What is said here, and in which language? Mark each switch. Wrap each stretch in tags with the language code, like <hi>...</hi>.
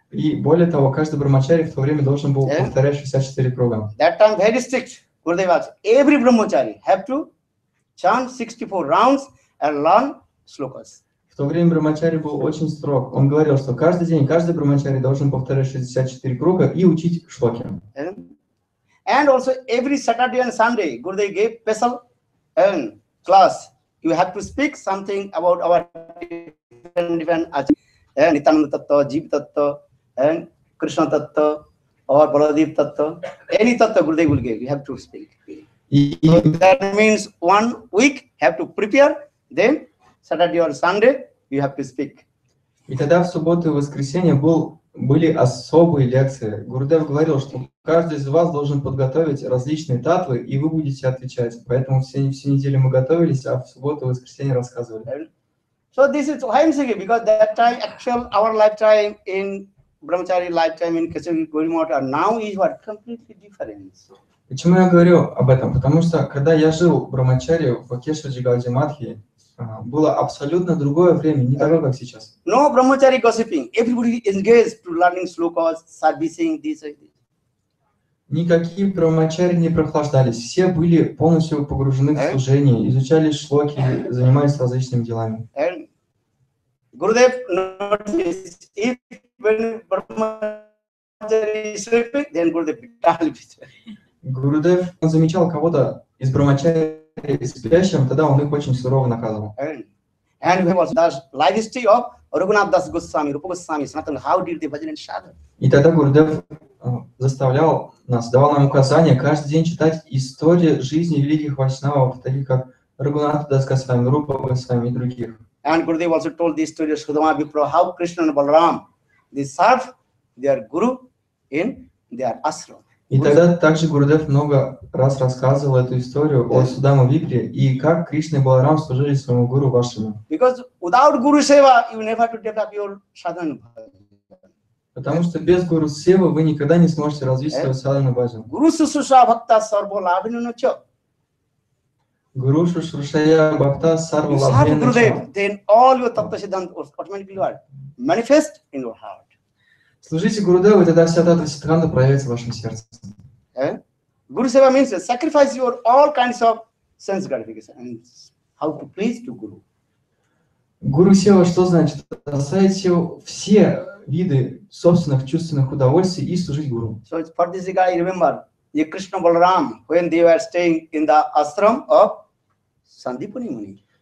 <ru>И более того, каждый брахмачари в то время должен был повторять 64 круга.</ru> <en>That time very strict. Gurudev asked every brahmachari have to chant 64 rounds and learn slokas.</en> <ru>В то время брахмачари был очень строг. Он говорил, что каждый день каждый брахмачари должен повторять 64 круга и учить шлоки.</ru> <en>And also every Saturday and Sunday, Gurudev gave special class. You have to speak something about our different acharya. Nityananda Tattva, Jiva Tattva, Krishna Tattva, or Baladeva Tattva, any Tattva Gurudev will give, you have to speak. So that means 1 week have to prepare, then Saturday or Sunday you have to speak.</en> <ru>И тогда в субботу и воскресенье были особые лекции. Гурудев говорил, что каждый из вас должен подготовить различные таттвы, и вы будете отвечать. Поэтому всю неделю мы готовились, а в субботу и воскресенье рассказывали.</ru> <en>So this is why I'm saying, because that time, actual our lifetime in Brahmachari lifetime in Kesavi Gorimata, now is what completely different.</en> <ru>Почему я говорю об этом? Потому что когда я жил в Брахмачари в Кешаджи Гауди Матхи, было абсолютно другое время, не такое, как сейчас.</ru> <en>No Brahmachari gossiping. Everybody engaged to learning slokas, servicing this.</en> <ru>Никакие брахмачари не прохлаждались. Все были полностью погружены в служение, изучали шлоки, занимались различными делами.</ru> <en>Gurudev noticed, if when brahmachari is sleeping, then Gurudev tells it.</en> <ru>Gurudev замечал кого-то из брахмачари спящим, тогда он их очень сурово наказывал.</ru> <en>And we was that life history of Raghunath Das Goswami, Rupa Goswami, Sanatana, how did they bhajan and shadow?</en> <ru>И тогда Gurudev заставлял нас, давал нам указания каждый день читать истории жизни великих вайшнавов, таких как Рагунат Дас Госвами, Рупа Госвами и других.</ru> <en>And Gurudev also told the story of Sudama Vipra, how Krishna and Balaram, they served their guru in their ashram.</en> <ru>И тогда также Гурудев много раз рассказывал эту историю о Судама Випре и как Кришна и Баларам служили своему гуру вашему.</ru> <en>Because without guru seva, you never to develop your sadhana.</en> <ru>Потому что без Гуру Сева вы никогда не сможете развить свою садхану бхаджан.</ru> <sa>Гуру Сусуша Бхакта Сарва Лабхинана Ча. Гуру Сусуша Бхакта Сарва Лабхинана Ча.</sa> <en>Гурудев, then all your Таттва Сиддханта automatically will manifest in your heart.</en> <ru>Служите Гурудеву, и тогда вся Таттва Сиддханта проявится в вашем сердце.</ru> <en>Гуру Сева means sacrifice your all kinds of sense gratification and how to please to Guru.</en> <ru>Гуру Сева что значит? Оставить все виды собственных чувственных удовольствий и служить гуру.</ru> <en>So it's for this guy, remember, the Krishna Balaram, when they were staying in the ashram of Sandipani Muni.</en>